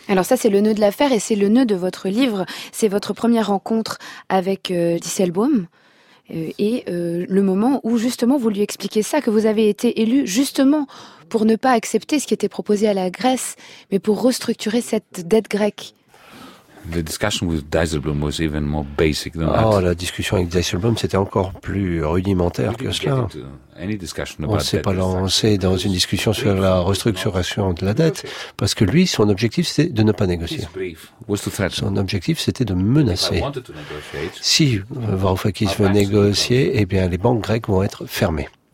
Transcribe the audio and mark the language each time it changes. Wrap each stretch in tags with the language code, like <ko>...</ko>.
<fr>Alors ça, c'est le nœud de l'affaire et c'est le nœud de votre livre. C'est votre première rencontre avec Dijsselbloem. Le moment où justement vous lui expliquez ça, que vous avez été élu justement pour ne pas accepter ce qui était proposé à la Grèce, mais pour restructurer cette dette grecque.</fr> <en>The discussion with Dijsselbloem was even more basic than that.</en> <fr>Oh, la discussion avec Dijsselbloem, c'était encore plus rudimentaire que cela. On ne s'est pas lancé dans une discussion sur la restructuration de la dette, parce que lui, son objectif, c'était de ne pas négocier. Son objectif, c'était de menacer. Si Varoufakis veut négocier, eh bien, les banques grecques vont être fermées.</fr>